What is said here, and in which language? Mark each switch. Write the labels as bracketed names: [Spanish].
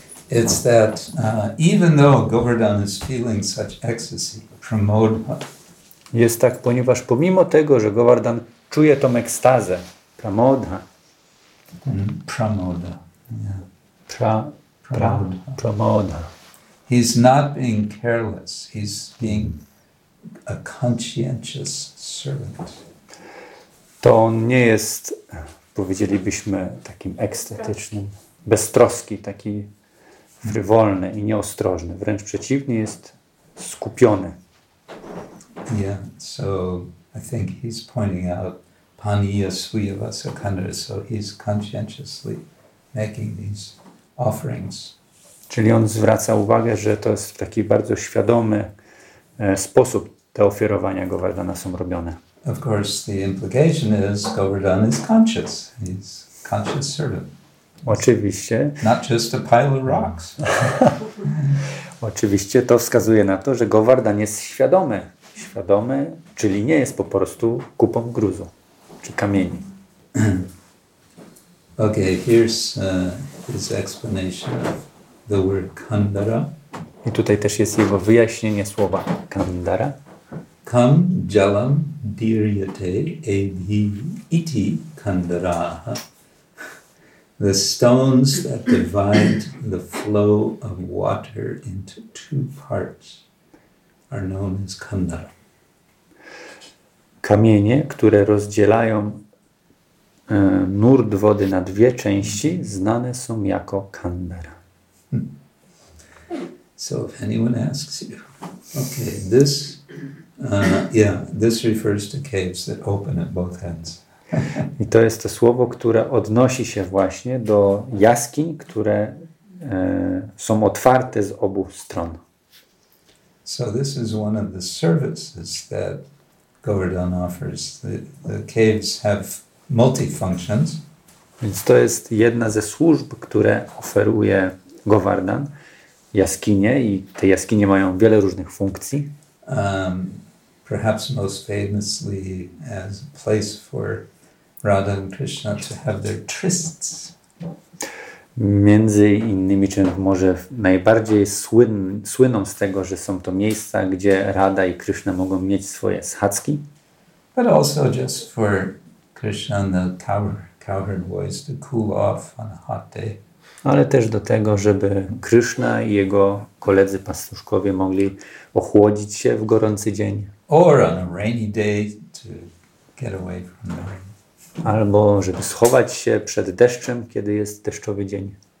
[English] It's that even though Govardhan is feeling such ecstasy, promote... [Polish] Jest tak, ponieważ pomimo tego, że Govardhan czuje tą ekstazę, pramodha. [Sanskrit] Pramodha, pramodha. [English] He's not being careless. He's being a conscientious servant. [Polish] To on nie jest, powiedzielibyśmy, takim ekstatycznym beztroski, taki frywolny i nieostrożny. Wręcz przeciwnie, jest skupiony. [English] Yeah, so I think he's pointing out Paniya Suyava Sakandara, so he's conscientiously making these offerings. [Polish] Czyli on zwraca uwagę, że to jest taki bardzo świadomy sposób te ofiarowania Govardhana są robione. [English] Of course, the implication is Govardhan is conscious. He's conscious servant. [Polish] Oczywiście. [English] Not just a pile of rocks. [Polish] Oczywiście to wskazuje na to, że Govardhan jest świadomy. Świadomy, czyli nie jest po prostu kupą gruzu czy kamieni. [English] Okay, here's his explanation of the word kandara. [Polish] I tutaj też jest jego wyjaśnienie słowa kandara. [Sanskrit] Kam jalam diryate evi iti kandaraha. [English] The stones that divide the flow of water into two parts are known as kandara. [Polish] Kamienie, które rozdzielają nurt wody na dwie części, znane są jako kandara. [English] So if anyone asks you, okay, this, yeah, this refers to caves that open at both ends. [Polish] I to jest to słowo, które odnosi się właśnie do jaskiń, które są otwarte z obu stron. [English] So this is one of the services that Govardhan offers. The caves have multi-functions. [Polish] Więc to jest jedna ze służb, które oferuje Govardhan. Jaskinie i te jaskinie mają wiele różnych funkcji. [English] Perhaps most famously as a place for Radha and Krishna to have their trysts. [Polish] Między innymi, czy może najbardziej słyną z tego, że są to miejsca, gdzie Radha i Krishna mogą mieć swoje schadzki. [English] But also just for Krishna and the cowherd boys to cool off on a hot day. [Polish] Ale też do tego, żeby Krishna i jego koledzy pastuszkowie mogli ochłodzić się w gorący dzień. [English] Or on a rainy day to get away from the rain. [Polish] Albo żeby schować się przed deszczem, kiedy jest deszczowy dzień.